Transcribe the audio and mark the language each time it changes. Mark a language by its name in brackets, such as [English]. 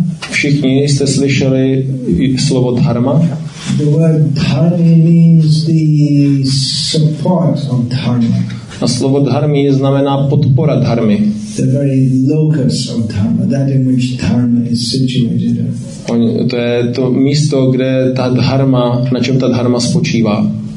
[Czech] Všichni jste slyšeli slovo Dharma. [English] The word dharma means the support of dharma. [Czech] A slovo dharma znamená podpora dharmy. [English] The very locus of dharma, that in which dharma is situated. [Czech] To je to místo, kde ta dharma, na čem ta dharma spočívá.